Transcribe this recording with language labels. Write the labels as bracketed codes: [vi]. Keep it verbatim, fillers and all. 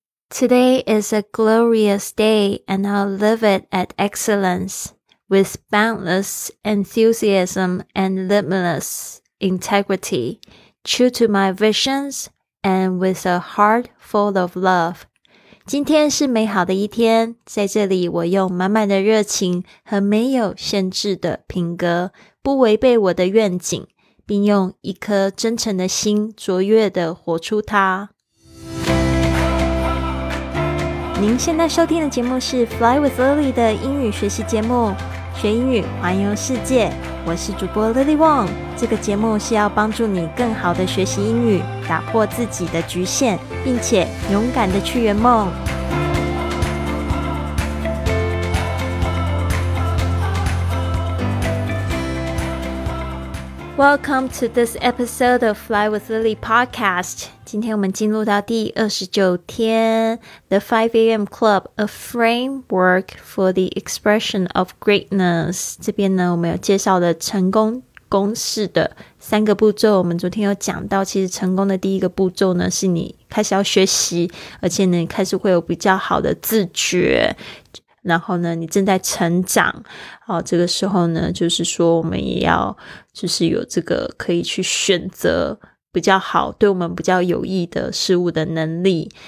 [en] Today is a glorious day and I'll live it at excellence with boundless enthusiasm and limitless integrity, true to my visions and with a heart full of love. [zh] 今天是美好的一天，在这里我用满满的热情和没有限制的品格，不违背我的愿景，并用一颗真诚的心卓越地活出它。您现在收听的节目是 Fly with Lily 的英语学习节目，学英语环游世界。我是主播 Lily Wong。这个节目是要帮助你更好的学习英语，打破自己的局限，并且勇敢的去圆梦。 [en] Welcome to this episode of Fly with Lily podcast. [zh] 今天我们进入到第二十九天 The 5 a.m. [en] Club, a framework for the expression of greatness. [zh] 这边呢，我们有介绍了成功公式的三个步骤。我们昨天有讲到，其实成功的第一个步骤呢，是你开始要学习，而且呢，你开始会有比较好的自觉。然后呢，你正在成长，哦，这个时候呢，就是说我们也要，就是有这个可以去选择比较好，对我们比较有益的事物的能力。